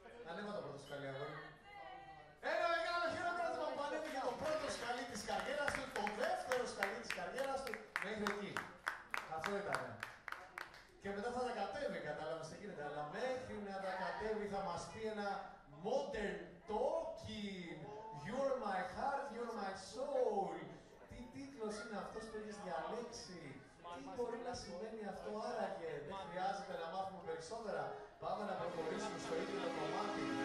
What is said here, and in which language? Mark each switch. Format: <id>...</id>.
<el>Ανέβα το πρώτο σκαλί, αγόρι. Ένα μεγάλο χειροκρότημα που ανέβηκε το πρώτο σκαλί της καριέρας του, το δεύτερο σκαλί της καριέρας του, μέχρι εκεί. Αυτό ήταν. Και μετά θα τα κατέβει, κατάλαβες τι γίνεται. Αλλά μέχρι να τα κατέβει θα μας πει ένα modern talking.</el> <en>You're my heart, you're my soul.</en> <el>Τι τίτλος είναι αυτός που έχεις διαλέξει. Τι μπορεί να σημαίνει αυτό άραγε. Δεν χρειάζεται να μάθουμε περισσότερα. Πάμε να προχωρήσουμε στο ίδιο το κομμάτι.</el>